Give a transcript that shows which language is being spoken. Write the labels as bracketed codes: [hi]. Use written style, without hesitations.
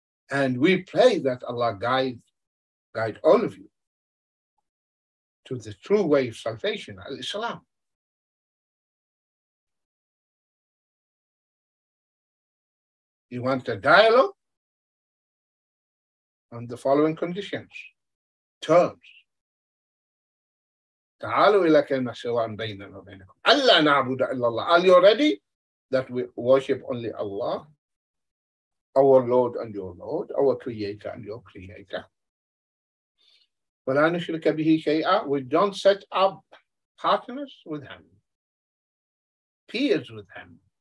[en] And we pray that Allah guide all of you to the true way of salvation, al-Islam. You want a dialogue on the following conditions, terms. [ar] تعالوا إلى كلمة سواء بيننا وبينكم. ألا نعبد إلا الله. [en] Are you ready that we worship only Allah, our Lord and your Lord, our Creator and your Creator? [ar] ولا نشرك به شيئا. [en] We don't set up partners with him, peers with him.